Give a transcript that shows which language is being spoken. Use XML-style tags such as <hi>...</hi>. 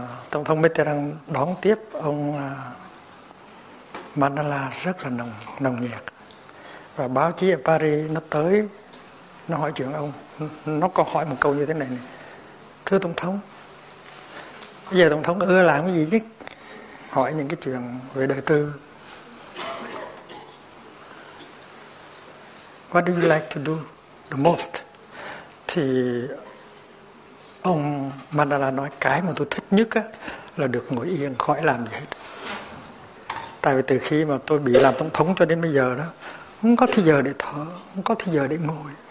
<vi>Tổng thống Mitterrand đón tiếp ông Mandela rất là nồng nhiệt. Và báo chí ở Paris nó tới, nó hỏi chuyện ông. Nó có hỏi một câu như thế này: thưa tổng thống, bây giờ tổng thống ưa làm cái gì nhất? Hỏi những cái chuyện về đời tư.</vi> <en>What do you like to do the most?</en> <vi>Thì ông Mandela nói: cái mà tôi thích nhất á, là được ngồi yên khỏi làm gì hết. Tại vì từ khi mà tôi bị làm tổng thống cho đến bây giờ đó, không có thời giờ để thở, không có thời giờ để ngồi.</vi>